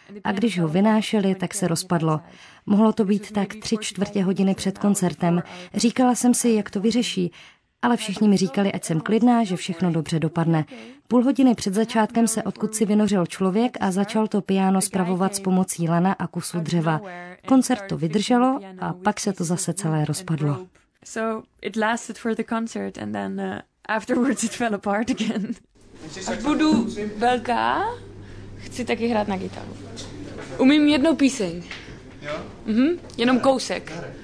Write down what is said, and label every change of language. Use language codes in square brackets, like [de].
[cs] A když ho vynášeli, tak se rozpadlo. Mohlo to být tak 3/4 hodiny před koncertem. Říkala jsem si, jak to vyřeší. Ale všichni mi říkali, ať jsem klidná, že všechno dobře dopadne. Půl hodiny před začátkem se odkudsi vynořil člověk a začal to piano spravovat s pomocí lana a kusu dřeva. Koncert to vydrželo a pak se to zase celé rozpadlo. [en] So it lasted for the concert and then afterwards it fell apart again. [cs] Až budu velká, chci taky hrát na gitaru. Umím jednu píseň. Jo? Jenom kousek.